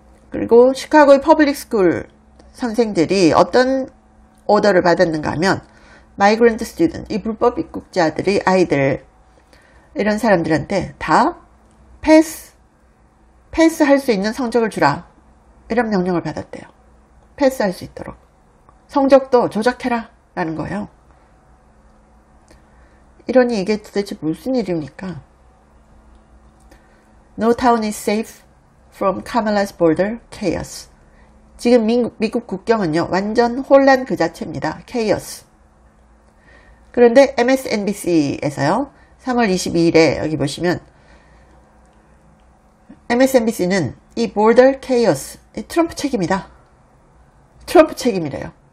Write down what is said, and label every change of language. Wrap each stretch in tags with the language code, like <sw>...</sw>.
<ko>그리고 시카고의 퍼블릭 스쿨 선생들이 어떤 오더를 받았는가 하면 마이그랜트 스튜던트, 이 불법 입국자들이 아이들 이런 사람들한테 다 패스할 수 있는 성적을 주라. 이런 명령을 받았대요. 패스할 수 있도록. 성적도 조작해라 라는 거예요. 이러니 이게 도대체 무슨 일입니까?</ko> <en>No town is safe from Kamala's border chaos.</en> <ko>지금 미국 국경은요, 완전 혼란 그 자체입니다.</ko> <en>chaos.</en> <ko>그런데 MSNBC에서요, 3월 22일에 여기 보시면 MSNBC는 이 border chaos, 이 트럼프 책임이다. 트럼프 책임이래요.</ko>